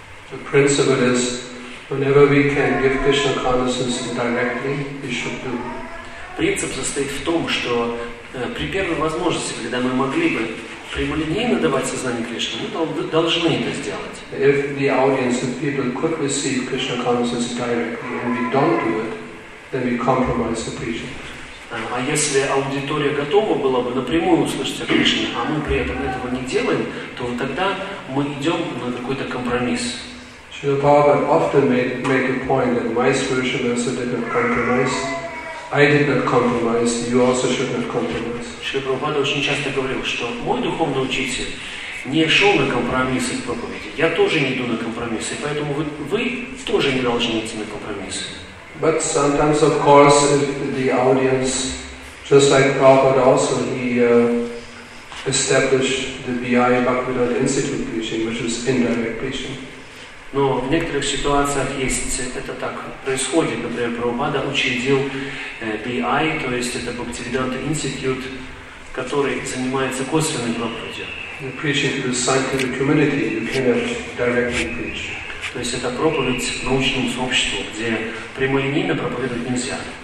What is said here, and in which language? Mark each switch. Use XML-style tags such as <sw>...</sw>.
<en>The principle is, whenever we can give Krishna consciousness directly, we should do.</en> <ru>Принцип состоит в том, что при первой возможности, когда мы могли бы прямолинейно давать сознание Кришне, мы должны это сделать.</ru> <en>If the audience and people could receive Krishna consciousness directly, and we don't do it, then we compromise the preaching.</en> <ru>А если аудитория готова была бы напрямую услышать о Кришне, а мы при этом этого не делаем, то вот тогда мы идем на какой-то компромисс.</ru> <en>Srila Prabhupada often make a point that my solution is a different compromise. I did not compromise. You also should not compromise.</en> <ru>Шри Прабхупада очень часто говорил, что мой духовный учитель не шел на компромиссы в проповеди. Я тоже не иду на компромиссы, поэтому вы тоже не должны идти на компромиссы.</ru> <en>But sometimes, of course, if the audience, just like Prabhupada also, he established the BI Bhaktivedanta Institute preaching, which is indirect preaching.</en> <ru>Но в некоторых ситуациях есть, это так происходит. Например, Прабхупада учредил BI, то есть это Бхактивиданта Институт, который занимается косвенной проповедью. То есть это проповедь научному сообществу, где прямолинейно проповедовать нельзя.</ru>